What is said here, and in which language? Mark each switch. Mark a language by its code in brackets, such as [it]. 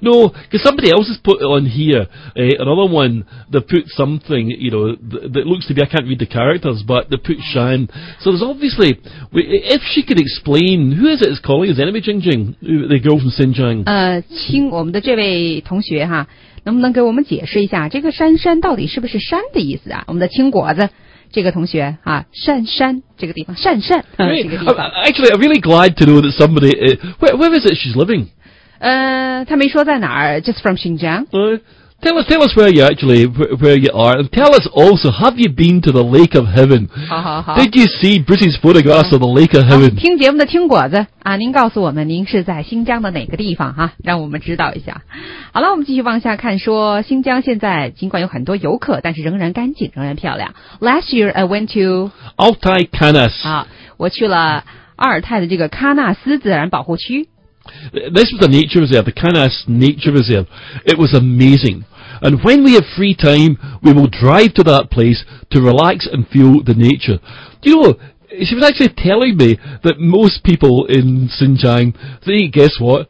[en] No, because somebody else has put it on here, another one, they put something, you know, that looks to be, I can't read the characters, but they put Shan. So there's obviously, if she could explain, who is it that's calling, is anybody Jing Jing, the girl from Xinjiang? [zh] 请我们的这位同学哈。能不能给我们解释一下这个山山到底是不是山的意思啊？我们的青果子这个同学啊，山山这个地方，山山、 [en] right. [zh] 这个地方。 [en] Actually, I'm really glad to know that somebody. Where is it she's living? [zh] 他没说在哪儿 ， [en] just from Xinjiang. Tell us where you actually where you are, and tell us also have you been to the Lake of Heaven? [zh] 好。 [en] Did you see Bruce's photographs of the Lake of Heaven? [zh] 听节目的青果子啊，您告诉我们您是在新疆的哪个地方哈、啊，让我们知道一下。好了，我们继续往下看说，说新疆现在尽管有很多游客，但是仍然干净，仍然漂亮。 [en] Last year I went to Altai Canas. [zh] 啊，我去了阿尔泰的这个喀纳斯自然保护区。 [en] This was a nature reserve, the Canas Nature Reserve. It was amazing. And when we have free time, we will drive to that place to relax and feel the nature. Do you know, she was actually telling me that most people in Xinjiang, they, guess what?